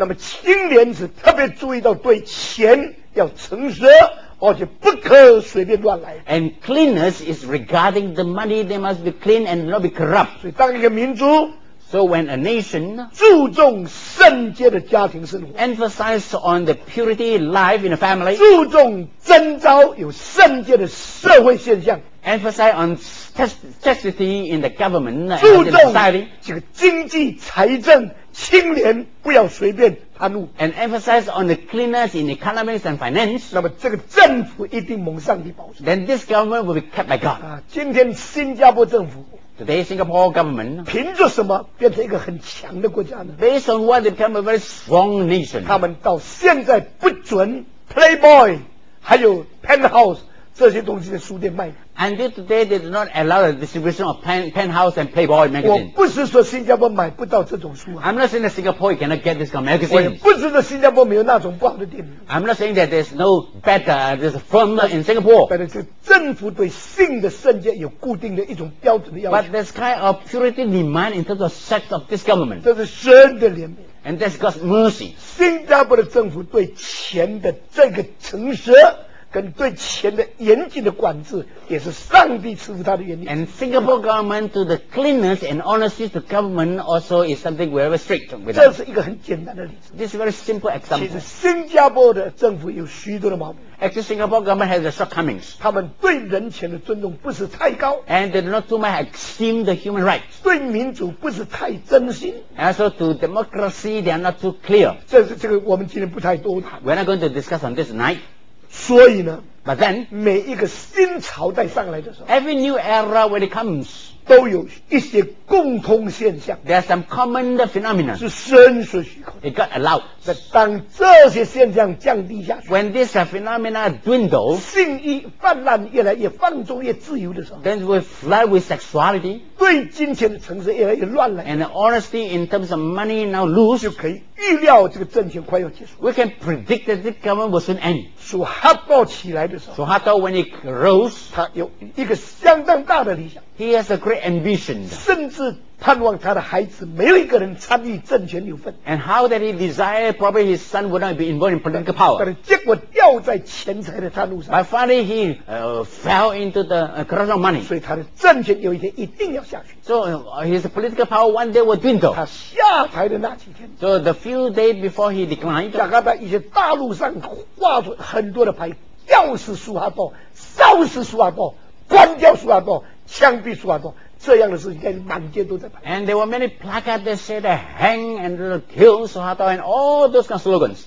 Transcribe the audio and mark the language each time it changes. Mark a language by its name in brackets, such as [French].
[Chinese] 那么青年子特别注意到对钱要诚实，而且不可随便乱来。 [English] And cleanness is regarding the money; they must be clean and not be corrupt. [Chinese] 所以当一个民族。 [English] So when a nation [Chinese] 注重圣洁的家庭生活 [English] emphasize on the purity life in a family [Chinese] 注重征召有圣洁的社会现象 [English] emphasize on chastity in the government [Chinese] 注重这个经济财政清廉不要随便贪污 [English] and emphasize on the cleanness in economics and finance [Chinese] 那么这个政府一定蒙上帝保守 [English] then this government will be kept by God [Chinese] 今天新加坡政府 [English] Today, Singapore government [Chinese] 凭着什么变成一个很强的国家呢 [English] Based on what they become a very strong nation [Chinese] 他们到现在不准 Playboy 还有 Penthouse 这些东西在书店卖 [English] And today they do not allow the distribution of Penthouse and Playboy magazine [Chinese] 我不是说新加坡买不到这种书、 [English] 啊、I'm not saying that Singapore you cannot get this kind of magazine [Chinese] 我也不是说新加坡没有那种不好的店 [English] I'm not saying that there's no better there's a firm in Singapore but it's [Chinese] 政府对性的圣洁有固定的一种标准的要求 [English] But this kind of purity demand in terms of sex of this government [Chinese] 这是神的怜悯 [English] And that's God's mercy [Chinese] 新加坡的政府对钱的这个诚实跟对钱的严谨的管制也是上帝赐福他的原因 [English] And Singapore government to the cleanness and honesty to government also is something very strict [Chinese] 这是一个很简单的例子 [English] This is a very simple example [Chinese] 其实新加坡的政府有许多的毛病 [English] Actually, Singapore government has the shortcomings. [Chinese] 他们对人权的尊重不是太高。 [English] And they do not too much esteem the human rights. [Chinese] 对民主不是太真心。 [English] And also to democracy, they are not too clear. [Chinese] 这个我们今天不太多谈。 [English] We're not going to discuss on this tonight. [Chinese] 所以呢 [English] ，But then, [Chinese] 每一个新朝代上来的时候 [English] ，Every new era when it comes. [Chinese] 都有一些共通现象 [English] There are some common phenomena [Chinese] 是神所许可的 [English] It got allowed [Chinese] 但当这些现象降低下去 [English] When these phenomena dwindle [Chinese] 性欲泛滥越来越放纵越自由的时候 [English] Then we fly with sexuality [Chinese] 对金钱的诚实越来越乱了 [English] And honesty in terms of money now lose [Chinese] 就可以预料这个政权快要结束 [English] We can predict that this government will soon end [Chinese] 属哈道起来的时候 [English] 属哈道 when it grows [Chinese] 它有一个相当大的理想 [English] He has a great ambition [Chinese] 甚至盼望他的孩子没有一个人参与政权有份 [English] And how that he desired probably his son would not be involved in political power [Chinese] 但结果掉在钱财的贪污上 [English] But finally he fell into the corruption of money [Chinese] 所以他的政权有一天一定要下去 [English] So his political power one day will dwindle [Chinese] 他下台的那几天 [English] So the few days before he declined [Chinese] 加拿大一些大路上画出很多的牌吊死苏哈道烧死苏哈道关掉苏哈道枪毙苏哈道这样的事应该满街都在摆 [English] And there were many placards that said hang and kill Suharto and all those kind of slogans